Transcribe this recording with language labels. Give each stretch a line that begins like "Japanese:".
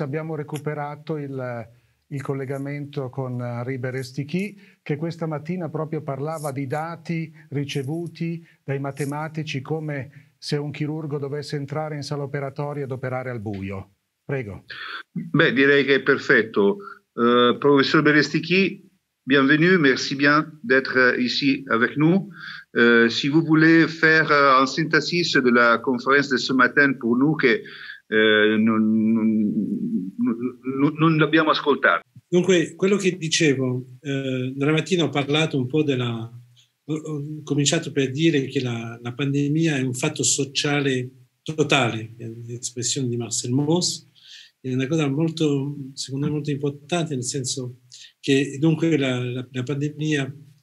Italian: Abbiamo recuperato il collegamento con Riber Estichi, che questa mattina proprio parlava di dati ricevuti dai matematici come se un chirurgo dovesse entrare in sala operatoria ad operare al buio. Prego. Beh, direi che è perfetto.
French: Professor Berestichi, bienvenue, merci bien d'être ici avec nous. Si vous voulez faire un synthesis de la conférence de ce matin pour nous
Italian: che non l'abbiamo ascoltato. Dunque, quello che dicevo, la mattina ho parlato un po' della... Ho cominciato per dire che la pandemia è un fatto sociale totale, è l'espressione di Marcel Mauss, è una cosa molto, secondo me, molto importante, nel senso che dunque la pandemia